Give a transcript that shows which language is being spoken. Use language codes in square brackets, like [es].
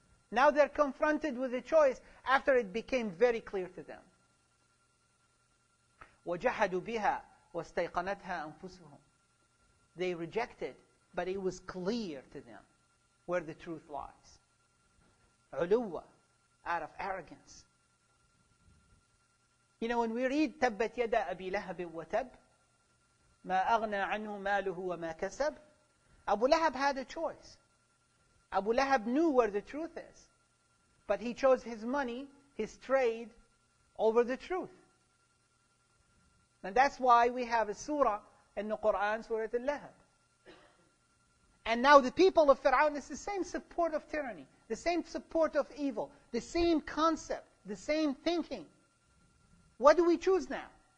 [en] Now they're confronted with a choice after it became very clear to them. [ar] وَجَحَدُوا بِهَا وَاسْتَيْقَنَتْهَا أَنفُسُهُمْ. [en] They rejected, but it was clear to them where the truth lies. عُلُوَّ, out of arrogance. You know, when we read [ar] تَبَّتْ يَدَا أَبِي لَهَبٍ وَتَبْ مَا أَغْنَى عَنْهُ مَالُهُ وَمَا كَسَبْ. [en] Abu Lahab had a choice. Abu Lahab knew where the truth is. But he chose his money, his trade, over the truth. And that's why we have a surah in the Qur'an, Surah Al-Lahab. And now the people of Fir'aun, it's the same support of tyranny, the same support of evil, the same concept, the same thinking. What do we choose now?